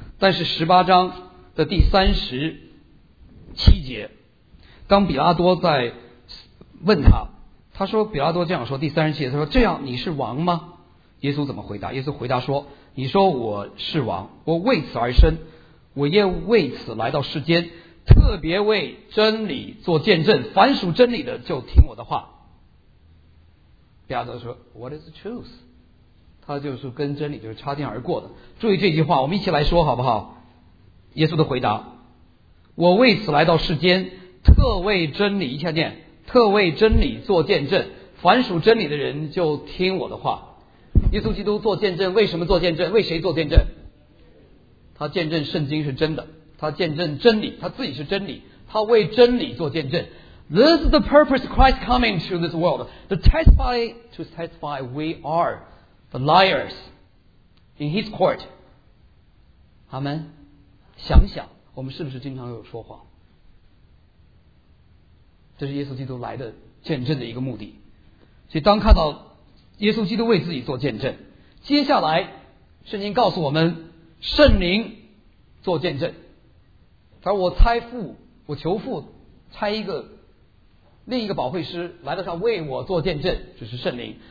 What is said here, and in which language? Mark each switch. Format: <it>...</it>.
<zh>但是十八章的第三十七节，当比拉多在问他，他说比拉多这样说，第三十七节他说这样你是王吗？耶稣怎么回答？耶稣回答说，你说我是王，我为此而生，我也为此来到世间，特别为真理做见证，凡属真理的就听我的话。比拉多说</zh> <en>What is the truth？</en> <zh>他就是跟真理就是擦肩而过的。注意这句话，我们一起来说好不好？耶稣的回答，我为此来到世间，特为真理，一下念，特为真理做见证，凡属真理的人就听我的话。耶稣基督做见证，为什么做见证？为谁做见证？他见证圣经是真的，他见证真理，他自己是真理，他为真理做见证。</zh> <en>This is the purpose Christ coming to this world. To testify we are the liars in his court.</en> <zh>阿们。想想我们是不是经常有说谎，这是耶稣基督来的见证的一个目的。所以当看到耶稣基督为自己做见证，接下来圣经告诉我们圣灵做见证，他说我求父差一个另一个保惠师来到上为我做见证，就是圣灵。</zh>